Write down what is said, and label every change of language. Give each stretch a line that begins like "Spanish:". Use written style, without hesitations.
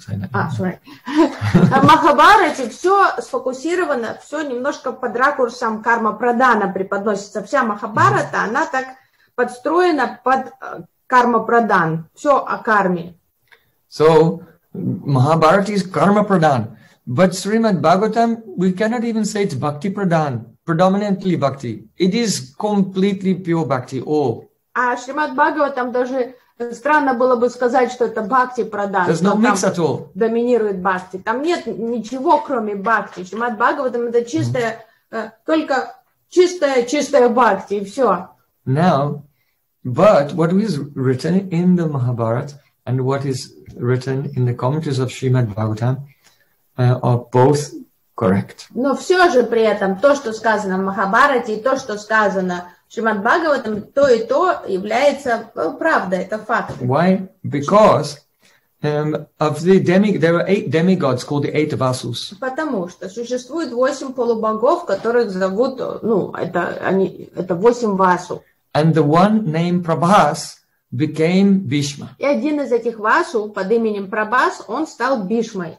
Russian: Махабарате все сфокусировано, все немножко под ракурсом карма прадана преподносится. Вся Махабарата, она так подстроена под карма прадан. Все о карме.
English: So, Махабарата is karma pradan. But Srimad Bhagavatam, we cannot even say it's bhakti pradan. predominantly bhakti. It is completely pure bhakti, all.
Russian: А Шримад Бхагаватам даже странно было бы сказать, что это бхакти прадан.
English: There's no mix at all.
Russian: Доминирует бхакти. Там нет ничего, кроме бхакти. Шримад Бхагаватам это чистая, только чистая бхакти, и все.
English: Now, but what is written in the Mahabharata and what is written in the commentaries of Shrimad Bhagavatam are both correct.
Russian: Но все же при этом то, что сказано в Махабхарате, и то, что сказано в Шримад Бхагаватам, то и то является правдой, это факт.
English: Why? Because of the there are eight demigods called the eight vasus.
Russian: Потому что существует восемь полубогов, которых зовут, ну, это они, это восемь васу.
English: And the one named Prabhas became Bhishma.
Russian: И один из этих васу под именем Прабхас, он стал Бишмой.